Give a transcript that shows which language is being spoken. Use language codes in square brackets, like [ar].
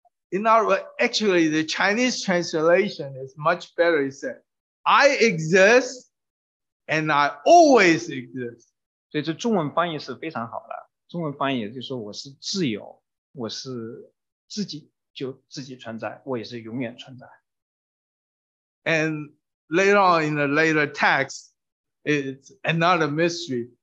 [en] In our actually the Chinese translation is much better. It said, I exist and I always exist. [zh] 所以这中文翻译是非常好的。中文翻译就是说我是自由。我是自己就自己存在，我也是永远存在。 [en] And later on in the later text, it's another mystery.